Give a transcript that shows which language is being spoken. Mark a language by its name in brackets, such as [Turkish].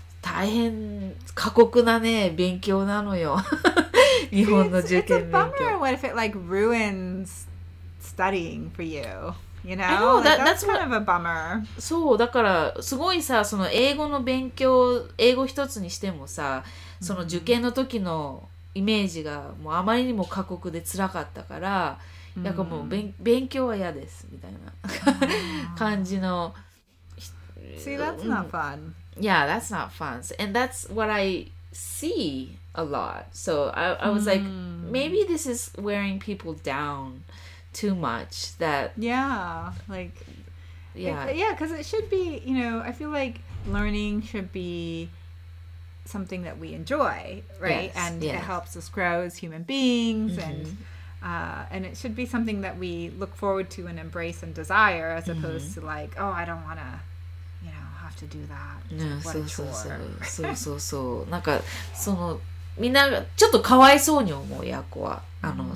[Japanese] 大変過酷なね勉強なのよ。日本の受験勉強。 [English] It's a bummer. What if it like ruins studying for you? You know, I know like, that, that's kind of a bummer. [Japanese] そうだからすごいさ、その英語の勉強、英語一つにしてもさ、その受験の時のイメージがもうあまりにも過酷で辛かったから、mm-hmm. やっぱもう勉強は嫌ですみたいな感じの。 [English] See, that's not fun. Yeah, that's not fun. And that's what I see a lot. So I was like, maybe this is wearing people down too much. That, yeah, like, yeah, because it should be, you know, I feel like learning should be something that we enjoy, right? Yes, and yes. it helps us grow as human beings. Mm-hmm. And it should be something that we look forward to and embrace and desire as opposed mm-hmm. to like, oh, I don't want to. [Japanese] ね、そうそうそうそうそうそう、なんかそのみんなちょっとかわいそうに思う、ヤコはあの、mm-hmm.